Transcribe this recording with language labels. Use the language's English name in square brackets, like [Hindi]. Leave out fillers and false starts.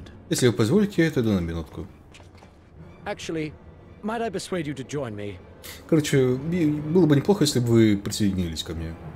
[Russian] Если вы позволите, я отойду на минутку. [English] Actually, might I persuade you to join me? [Russian] Короче, было бы неплохо, если бы вы присоединились ко мне.